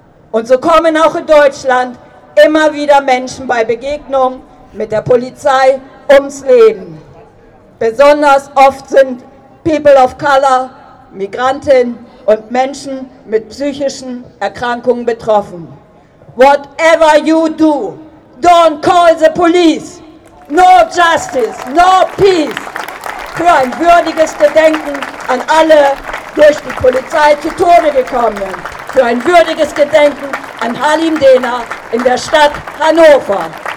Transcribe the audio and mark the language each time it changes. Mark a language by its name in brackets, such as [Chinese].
[German] Und so kommen auch in Deutschland immer wieder Menschen bei Begegnung mit der Polizei ums Leben. Besonders oft sind People of Color, Migrantinnen und Menschen mit psychischen Erkrankungen betroffen. [English] Whatever you do, don't call the police. No justice, no peace. [German] Für ein würdiges Gedenken an alle durch die Polizei zu Tode gekommenen. Für ein würdiges Gedenken an Halim Dena in der Stadt Hannover.